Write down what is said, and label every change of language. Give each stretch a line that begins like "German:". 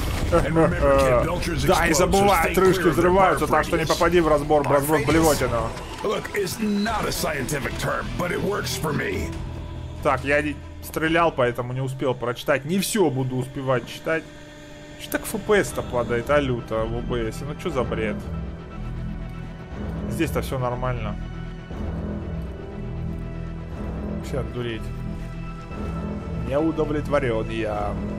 Russian: Да, не забывай, отрыжки взрываются, так что не попади в разбор, разброс блевотину.
English: Look, it's not a scientific term, but it works for me.
Russian: Так, я стрелял, поэтому не успел прочитать. Не все буду успевать читать. Что так FPS-то падает, а люто в OBS? Ну что за бред? Здесь-то все нормально. Вообще отдуреть. Не удовлетворен я.